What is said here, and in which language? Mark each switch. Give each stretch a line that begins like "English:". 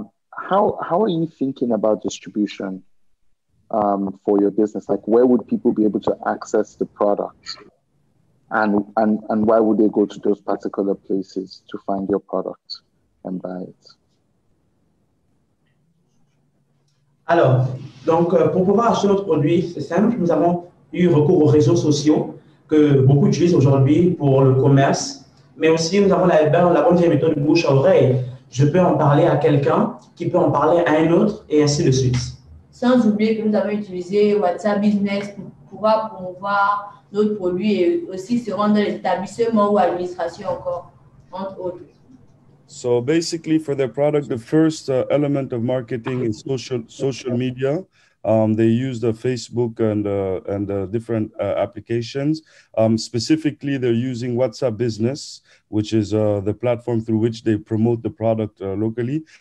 English: How are you thinking about distribution for your business? Like, where would people be able to access the product? And why would they go to those particular places to find your product and buy it?
French: Alors, donc, pour pouvoir acheter notre produit, c'est simple. Nous avons eu recours aux réseaux sociaux que beaucoup utilisent aujourd'hui pour le commerce. Mais aussi, nous avons la bonne méthode bouche à oreille. Je peux en parler à quelqu'un qui peut en parler à un autre et ainsi de suite. Sans oublier que nous avons utilisé WhatsApp Business pour pouvoir promouvoir notre produit et aussi se rendre dans les établissements ou administrations encore, entre autres.
English: So basically, for their product, the first element of marketing is social media. They use the Facebook and different applications. Specifically, they're using WhatsApp Business, which is the platform through which they promote the product locally.